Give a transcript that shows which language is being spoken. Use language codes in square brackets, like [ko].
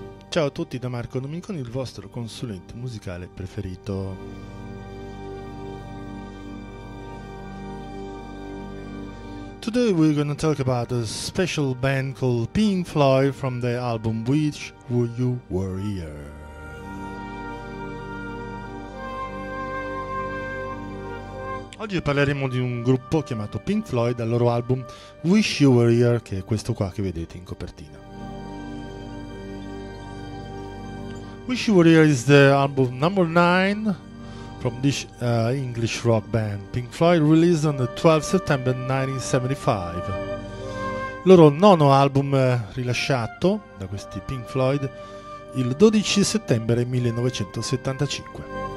[it] Ciao a tutti da Marco Domeniconi, il vostro consulente musicale preferito. [en] Today we're going to talk about a special band called Pink Floyd from the album Wish You Were Here. [it] Oggi parleremo di un gruppo chiamato Pink Floyd, dal loro album Wish You Were Here, che è questo qua che vedete in copertina. [en] Wish You Were Here is the album number 9 from this English rock band Pink Floyd, released on the 12 September 1975. [it] Loro nono album rilasciato da questi Pink Floyd il 12 settembre 1975.